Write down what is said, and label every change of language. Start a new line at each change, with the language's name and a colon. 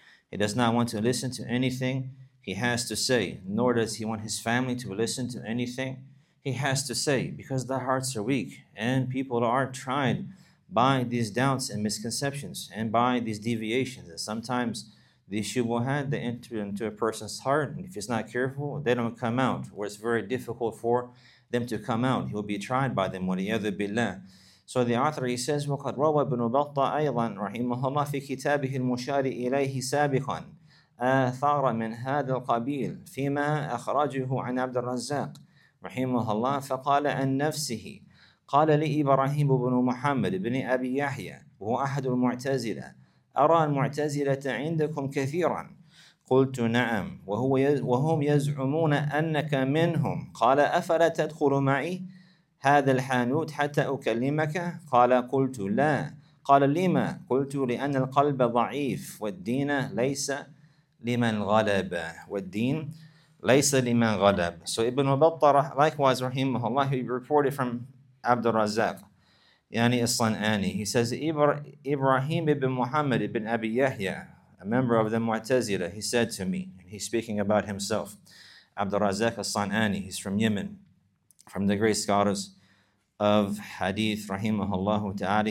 English: He does not want to listen to anything he has to say, nor does he want his family to listen to anything he has to say, because the hearts are weak and people are tried by these doubts and misconceptions and by these deviations. And sometimes the shubuhat, they enter into a person's heart, and if he's not careful, they don't come out, or it's very difficult for them to come out. He will be tried by them,
Arabic: وَلِيَذُ بِاللَّهِ.
English: So the author, he says,
Arabic: وَقَدْ رَوَى بْنُ بَطَّى أَيْضًا رَحِمَهُ اللَّهِ فِي كِتَابِهِ الْمُشَارِ إِلَيْهِ سَابِقًا أَثَارَ مِنْ هَذَا الْقَبِيلِ فِيمَا أَخْرَجُهُ عَنْ عَبْدِ الرَّزَّاقِ رَحِمَهُ اللَّهِ فَقَالَ عَنْ نَفْسِهِ قَالَ لِي إِبْرَاهِيمُ بْنُ مُحَمَّدٍ بْنِ أَبِي يَحْيَى وَهُوَ أَحَدُ الْمُعْتَزِلَةِ أرى المعتزلة عندكم كثيرا. قلت نعم. وهم يزعمون أنك منهم. قال أفلا تدخل معي هذا الحانوت حتى أكلمك؟ قال قلت لا. قال لما؟ قلت لأن القلب ضعيف والدين ليس لمن غلب. والدين ليس لمن غلب.
English: So Ibn Mubattah likewise, rahimahullah, he reported from Abdul Razzaq, yani al-San'ani. He says Ibrahim ibn Muhammad ibn Abi Yahya, a member of the Mu'tazila, he said to me, and he's speaking about himself, Abdul Razzaq al-San'ani, he's from Yemen, from the great scholars of Hadith, rahimahullah ta'ala.